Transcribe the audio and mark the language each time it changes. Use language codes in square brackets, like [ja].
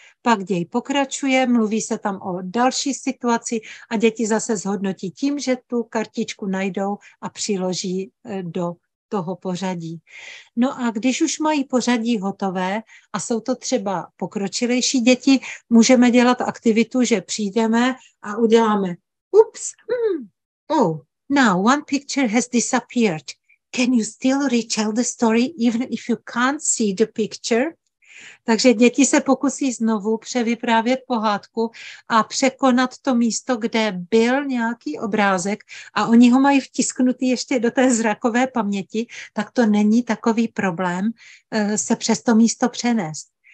[cs] Pak děj pokračuje, mluví se tam o další situaci a děti zase zhodnotí tím, že tu kartičku najdou a přiloží do toho pořadí. No a když už mají pořadí hotové a jsou to třeba pokročilejší děti, můžeme dělat aktivitu, že přijdeme a uděláme ups, [en] oh, now one picture has disappeared. Can you still retell the story even if you can't see the picture? [cs] Takže děti se pokusí znovu převyprávět pohádku a překonat to místo, kde byl nějaký obrázek a oni ho mají vtisknutý ještě do té zrakové paměti, tak to není takový problém se přes to místo přenést.